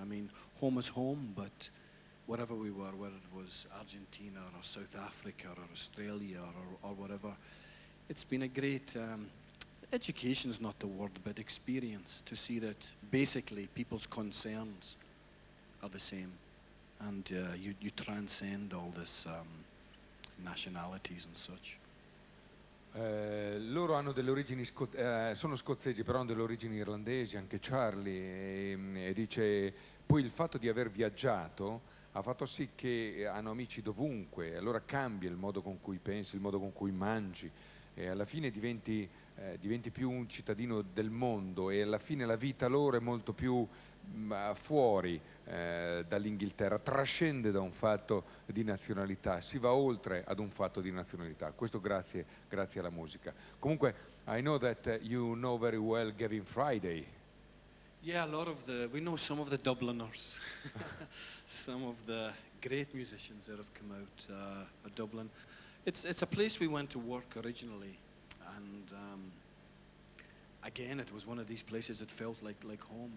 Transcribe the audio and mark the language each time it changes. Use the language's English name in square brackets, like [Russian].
[English] I mean, home is home, but wherever we were, whether it was Argentina, or South Africa, or Australia, or whatever, it's been a great, education is not the word, but experience, to see that basically people's concerns are the same, and you transcend all this nationalities and such. [Italian] Loro hanno delle origini sono scozzesi, però hanno delle origini irlandesi, anche Charlie, e dice poi il fatto di aver viaggiato ha fatto sì che hanno amici dovunque, allora cambia il modo con cui pensi, il modo con cui mangi, e alla fine diventi più un cittadino del mondo, e alla fine la vita loro è molto più fuori dall'Inghilterra, trascende da un fatto di nazionalità, si va oltre ad un fatto di nazionalità, questo grazie alla musica. Comunque, I know that you know very well Gavin Friday. [English] Yeah, a lot of we know some of the Dubliners, some of the great musicians that have come out of Dublin. It's a place we went to work originally, and again, it was one of these places that felt like home.